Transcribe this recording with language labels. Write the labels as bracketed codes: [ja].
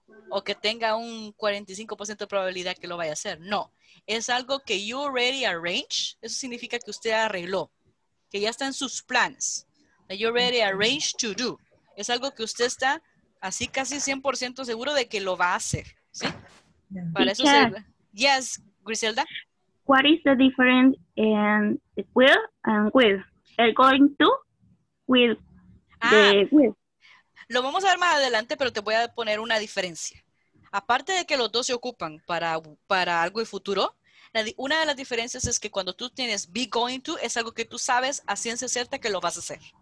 [es] O que tenga un 45% de probabilidad que lo vaya a hacer. No. Es algo que [en] you already arranged. [es] Eso significa que usted arregló. Que ya está en sus planes. [en] That you already arranged to do. [es] Es algo que usted está así casi 100% seguro de que lo va a hacer. ¿Sí? Para eso sirve. [en] Yes, [es] Griselda. [en] What is the difference in the will and will? [es] El [en] going to will. [es] Lo vamos a ver más adelante, pero te voy a poner una diferencia. Aparte de que los dos se ocupan para algo de futuro, una de las diferencias es que cuando tú tienes be going to, es algo que tú sabes a ciencia cierta que lo vas a hacer.